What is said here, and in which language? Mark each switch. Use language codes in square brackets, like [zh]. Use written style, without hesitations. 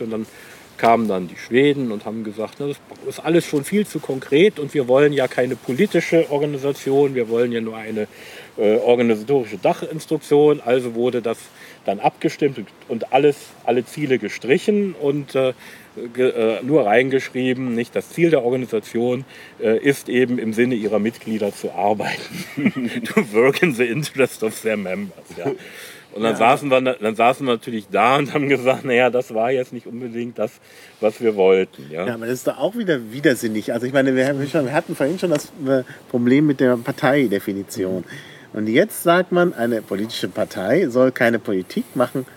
[de] Und dann kamen dann die Schweden und haben gesagt, das ist alles schon viel zu konkret und wir wollen ja keine politische Organisation, wir wollen ja nur eine organisatorische Dachinstruktion. Also wurde das dann abgestimmt und alle Ziele gestrichen und nur reingeschrieben, nicht, das Ziel der Organisation ist eben im Sinne ihrer Mitglieder zu arbeiten. [en] To work in the interest of their members, ja. [de] Und dann, ja. saßen wir natürlich da und haben gesagt, naja, das war jetzt nicht unbedingt das, was wir wollten. Ja, ja, aber das ist doch auch wieder widersinnig. Also ich meine, wir hatten vorhin schon das Problem mit der Parteidefinition. Und jetzt sagt man, eine politische Partei soll keine Politik machen.